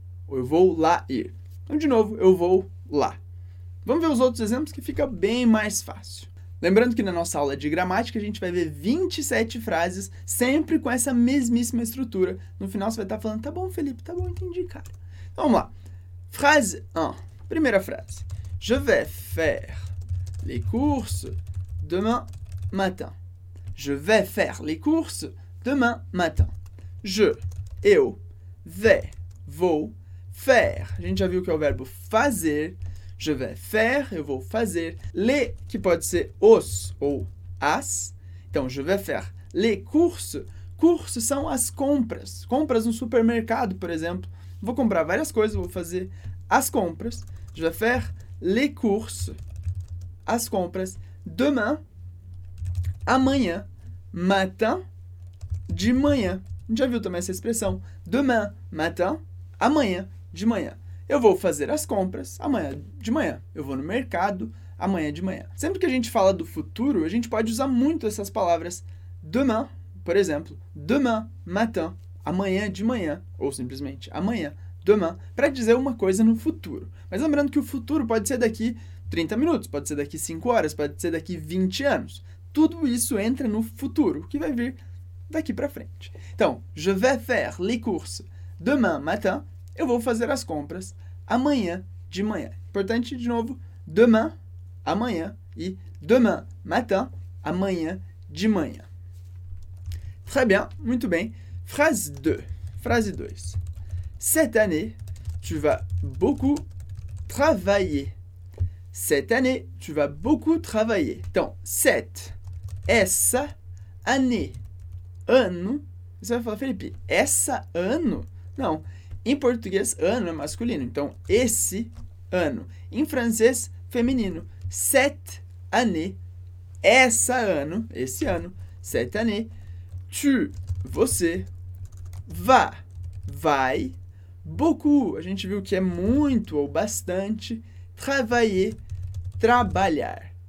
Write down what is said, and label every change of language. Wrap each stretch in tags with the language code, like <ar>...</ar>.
<pt>Eu vou lá ir. Então, de novo, eu vou lá. Vamos ver os outros exemplos que fica bem mais fácil. Lembrando que na nossa aula de gramática, a gente vai ver 27 frases, sempre com essa mesmíssima estrutura. No final, você vai estar falando, tá bom, Felipe, tá bom, entendi, cara. Então, vamos lá. Frase 1. Primeira frase.</pt> <fr>Je vais faire les courses demain matin. Je vais faire les courses demain matin. Je, eu, vais, vou, faire.</fr> <pt>A gente já viu que é o verbo fazer.</pt> <fr>Je vais faire,</fr> <pt>eu vou fazer. Les, que pode ser os ou as. Então,</pt> <fr>je vais faire les courses.</fr> <pt>Courses são as compras. Compras no supermercado, por exemplo. Vou comprar várias coisas, vou fazer as compras.</pt> <fr>Je vais faire les courses.</fr> <pt>As compras. Demain, amanhã. Matin, de manhã. A gente já viu também essa expressão.</pt> <fr>Demain, matin,</fr> <pt>amanhã, de manhã. Eu vou fazer as compras amanhã, de manhã. Eu vou no mercado amanhã, de manhã. Sempre que a gente fala do futuro, a gente pode usar muito essas palavras. Demain, por exemplo.</pt> <fr>Demain, matin,</fr> <pt>amanhã, de manhã. Ou simplesmente amanhã, demain, para dizer uma coisa no futuro. Mas lembrando que o futuro pode ser daqui 30 minutos, pode ser daqui 5 horas, pode ser daqui 20 anos. Tudo isso entra no futuro, que vai vir daqui para frente. Então,</pt> <fr>je vais faire les courses demain matin.</fr> <pt>Eu vou fazer as compras amanhã de manhã. Importante, de novo, demain, amanhã, e</pt> <fr>demain matin,</fr> <pt>amanhã de manhã.</pt> <fr>Très bien,</fr> <pt>muito bem.</pt> <fr>Phrase 2. Phrase 2. Cette année, tu vas beaucoup travailler. Cette année, tu vas beaucoup travailler.</fr> <pt>Então,</pt> <fr>cette,</fr> <pt>essa, année. Ano, você vai falar, Felipe, essa ano? Não, em português, ano é masculino, então, esse ano. Em francês, feminino,</pt> <fr>cette année,</fr> <pt>essa ano, esse ano, cette année, tu, você, va, vai, beaucoup, a gente viu que é muito ou bastante, travailler, trabalhar.</pt>